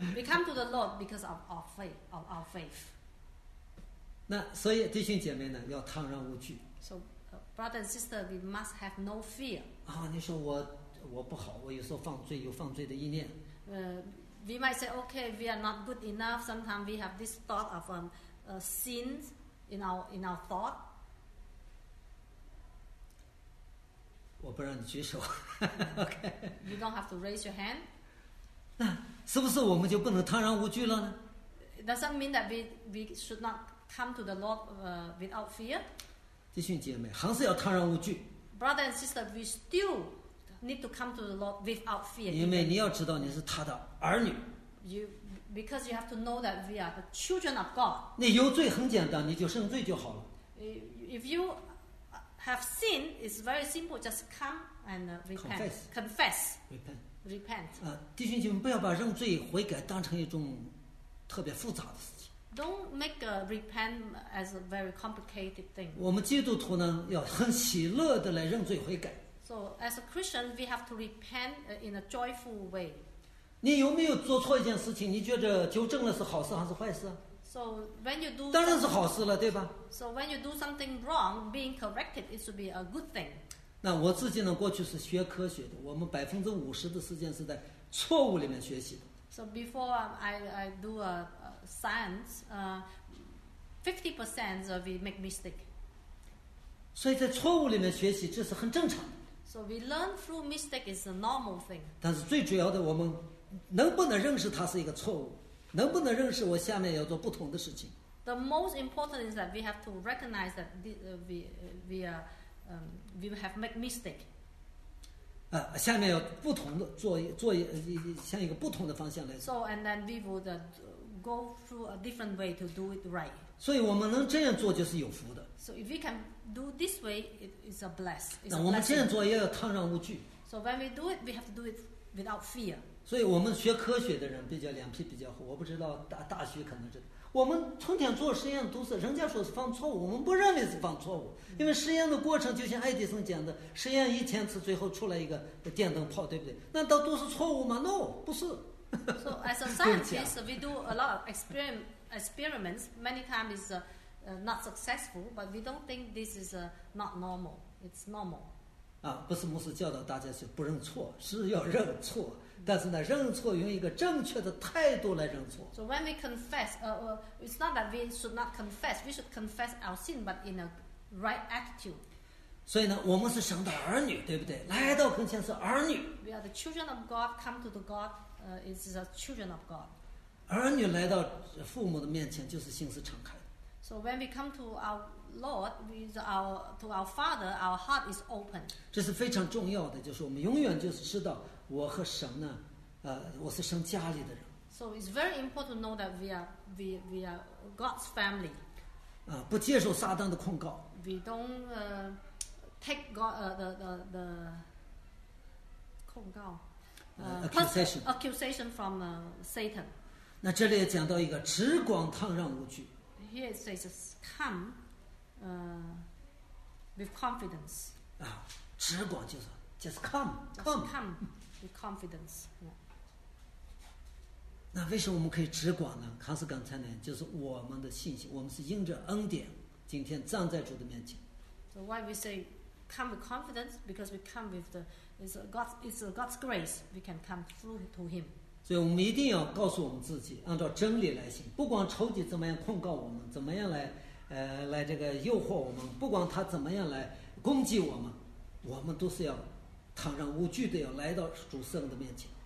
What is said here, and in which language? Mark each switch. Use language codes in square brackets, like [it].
[en] We come to the Lord because of our faith, of our faith. [zh] 那所以弟兄姐妹呢，要坦然无惧。 [en] So, brother and sister, we must have no fear. [zh] 啊，你说我不好，我有时候犯罪，有犯罪的意念。 [en] We might say, okay, we are not good enough. Sometimes we have this thought of sin in our thought. [zh] 我不让你举手。Okay. [en] You don't have to raise your hand. [zh] 那是不是我们就不能坦然无惧了呢？ [en] It doesn't mean that we should not come to the Lord without fear. [zh] 弟兄姐妹，还是要坦然无惧。 [en] Brother and sister, we still need to come to the Lord without fear. [zh] 因为你要知道你是他的儿女。 [en] Because you have to know that we are the children of God. [zh] 你有罪很简单，你就认罪就好了。 [en] If you have sin, it's very simple. Just come and repent. Confess. Repent. [zh] 弟兄姐妹，不要把认罪悔改当成一种特别复杂的事情。 [en] Don't make a repent as a very complicated thing. [zh] 我们基督徒呢，要很喜乐的来认罪悔改。 [en] So as a Christian, we have to repent in a joyful way. [zh] 你有没有做错一件事情？你觉得纠正了是好事还是坏事？ [en] So when you do, [zh] 当然是好事了，对吧？ [en] So when you do something wrong, being corrected, it should be a good thing. [zh] 那我自己呢？过去是学科学的，我们50%的时间是在错误里面学习的。 [en] So before I do a science, 50% of we make mistake. [zh] 所以在错误里面学习，这是很正常的。 [en] So we learn through mistake is a normal thing. [zh] 但是最主要的，我们能不能认识它是一个错误，能不能认识我下面要做不同的事情。 [en] The most important is that we have to recognize that we have made mistake. [zh] 下面要不同的做向一个不同的方向来。 [en] So and then we would go through a different way to do it right. [zh] 所以我们能这样做就是有福的。 [en] So if we can do this way, it is a bless. [zh] 那我们这样做也要坦然无惧。 [en] So when we do it, we have to do it without fear. [zh] 所以我们学科学的人比较脸皮比较厚，我不知道大学可能是，我们从前做实验都是人家说是犯错误，我们不认为是犯错误，因为实验的过程就像爱迪生讲的，实验1000次最后出来一个电灯泡，对不对？那都是错误吗？ No, 不是。 [en] So as a scientist, we do a lot of experiments. Many times is not successful, but we don't think this is not normal. It's normal. [zh] 啊，不是牧师教导大家是不认错，是要认错。但是呢，认错用一个正确的态度来认错。 [en] So when we confess, it's not that we should not confess. We should confess our sin, but in a right attitude. [zh] 所以呢，我们是神的儿女，对不对？来到跟前是儿女。 [en] We are the children of God. Come to the God. It's a children of God. [zh] 儿女来到父母的面前，就是心思敞开。 [en] So when we come to our Lord, with our to our Father, our heart is open. [zh] 这是非常重要的，就是我们永远就是知道我和神呢，我是神家里的人。 [en] So it's very important to know that we are God's family. [zh] 不接受撒旦的控告。 [en] We don't take God the 控告。 Accusation from Satan. [zh] 那这里也讲到一个只管坦然无惧。 [en] Here it says, "Come, with confidence." [zh] 啊，只管就是 [en] just come, come, just come with confidence.、Yeah. [zh] 那为什么我们可以只管呢？还是刚才呢？就是我们的信心，我们是因着恩典，今天站在主的面前。 [en] So why we say come with confidence? Because we come with the it's God's grace. We can come through to Him. [zh] 所以我们一定要告诉我们自己，按照真理来行。不管仇敌怎么样控告我们，怎么样来这个诱惑我们，不管他怎么样来攻击我们，我们都是要坦然无惧的要来到主圣的面前。